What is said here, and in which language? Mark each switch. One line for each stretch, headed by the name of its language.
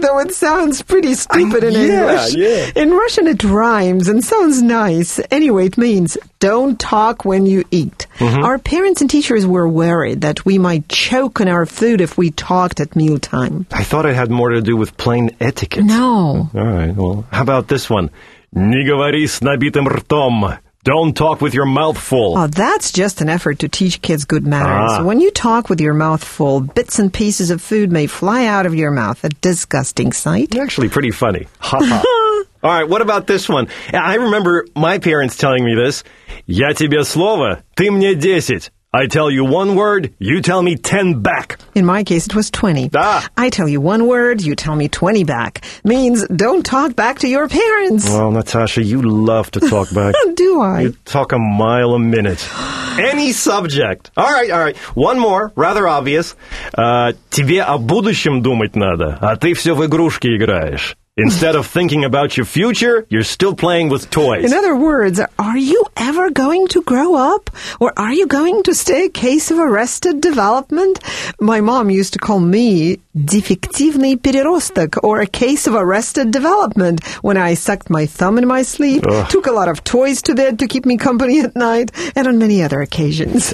English: Though it sounds pretty stupid in English. Yeah, yeah. In Russian, it rhymes and sounds nice. Anyway, it means don't talk when you eat. Mm-hmm. Our parents and teachers were worried that we might choke on our food if we talked at mealtime. I thought it had more to do with plain etiquette. No. All right. Well, how about this one?
Russian: Не говори с набитым ртом.
English: Don't talk with your mouth full. Oh, that's just an effort to teach kids good manners. Ah. When you talk with your mouth full, bits and pieces of food may fly out of your mouth. A disgusting sight. Actually, pretty funny. Ha ha. All right, what about this one? I remember my parents telling me this.
Russian: Я тебе слово, ты мне 10.
English: I tell you one word, you tell me 10 back. In my case, it was 20. Ah. I tell you one word, you tell me 20 back. Means don't talk back to your parents. Well, Natasha, you love to talk back. Do I? You talk a mile a minute. Any subject. All right. One more, rather obvious.
Russian: Тебе о будущем думать надо, а ты все в игрушки играешь.
English: Instead of thinking about your future, you're still playing with toys. In other words, are you ever going to grow up? Or are you going to stay a case of arrested development? My mom used to call me
Russian: дефективный переросток,
English: or a case of arrested development, when I sucked my thumb in my sleep, took a lot of toys to bed to keep me company at night, and on many other occasions.